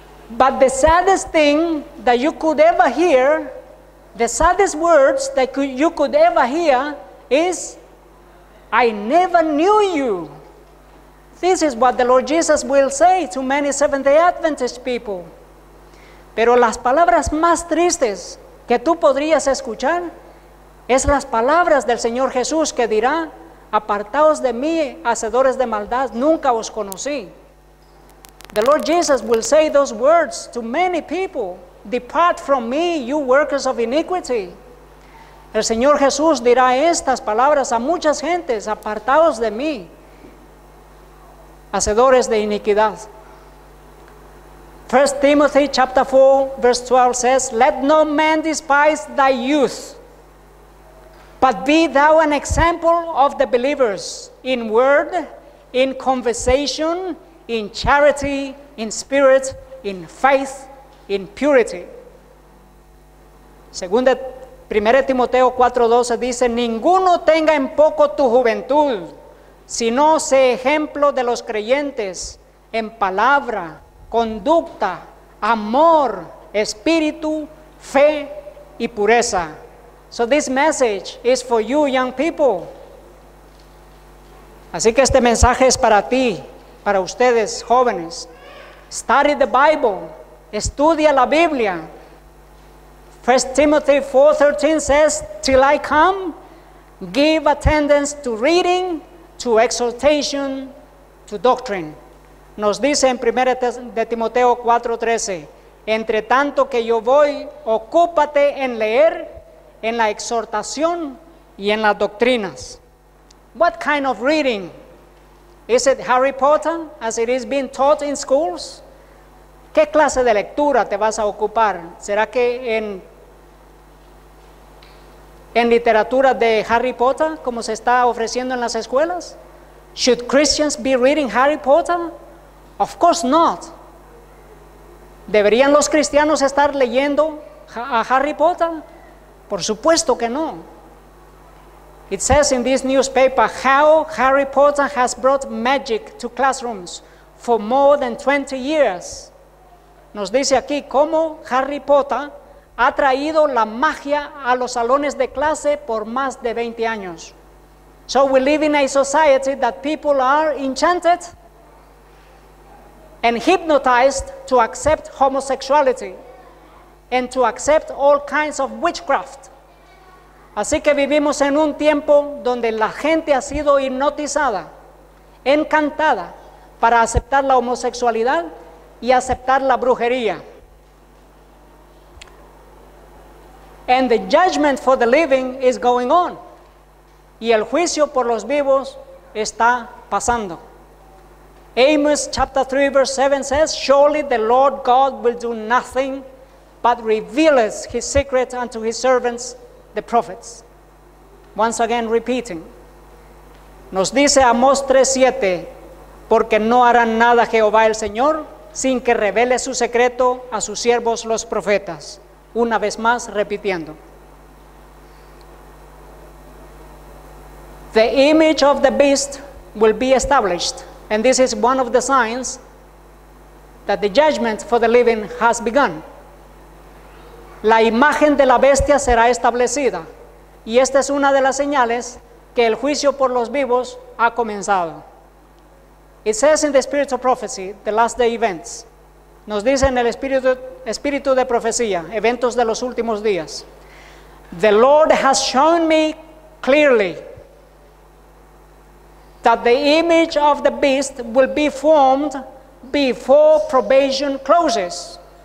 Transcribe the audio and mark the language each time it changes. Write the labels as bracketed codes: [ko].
[en] But the saddest thing that you could ever hear, the saddest words that you could ever hear is, I never knew you. This is what the Lord Jesus will say to many Seventh-day Adventist people. [es] Pero las palabras más tristes que tú podrías escuchar es las palabras del Señor Jesús que dirá, apartaos de mí, hacedores de maldad, nunca os conocí. [en] The Lord Jesus will say those words to many people, depart from me, you workers of iniquity. [es] El Señor Jesús dirá estas palabras a muchas gentes, apartaos de mí, hacedores de iniquidad. [en] 1 Timothy chapter 4, verse 12 says, let no man despise thy youth, but be thou an example of the believers in word, in conversation, in charity, in spirit, in faith, in purity. [es] Según 1 Timoteo 4:12 dice, ninguno tenga en poco tu juventud, sino sé ejemplo de los creyentes en palabra, conducta, amor, espíritu, fe y pureza. [en] So this message is for you, young people. [es] Así que este mensaje es para ti, para ustedes, jóvenes. [en] Study the Bible. [es] Estudia la Biblia. [en] 1 Timothy 4:13 says, "Till I come, give attendance to reading, to exhortation, to doctrine." [es] Nos dice en 1 de Timoteo 4:13, "Entre tanto que yo voy, ocúpate en leer, en la exhortación y en las doctrinas." [en] What kind of reading? Is it Harry Potter, as it is being taught in schools? [es] ¿Qué clase de lectura te vas a ocupar? ¿Será que en literatura de Harry Potter, como se está ofreciendo en las escuelas? [en] Should Christians be reading Harry Potter? Of course not. [es] ¿Deberían los cristianos estar leyendo a Harry Potter? Por supuesto que no. [en] It says in this newspaper how Harry Potter has brought magic to classrooms for more than 20 years. [es] Nos dice aquí cómo Harry Potter ha traído la magia a los salones de clase por más de 20 años. [en] So we live in a society that people are enchanted and hypnotized to accept homosexuality and to accept all kinds of witchcraft. [es] Así que vivimos en un tiempo donde la gente ha sido hipnotizada, encantada para aceptar la homosexualidad y aceptar la brujería. [en] And the judgment for the living is going on. [es] Y el juicio por los vivos está pasando. [en] Amos chapter 3 verse 7 says, "Surely the Lord God will do nothing but revealeth his secret unto his servants, the prophets." Once again repeating. [es] Nos dice Amos 3:7, "Porque no hará nada Jehová el Señor sin que revele su secreto a sus siervos los profetas." Una vez más repitiendo. [en] The image of the beast will be established, and this is one of the signs that the judgment for the living has begun. [es] La imagen de la bestia será establecida, y esta es una de las señales que el juicio por los vivos ha comenzado. [en] It says in the spirit of prophecy, the last day events. [es] Nos dice en el espíritu de profecía, eventos de los últimos días. [en] "The Lord has shown me clearly that the image of the beast will be formed before probation closes."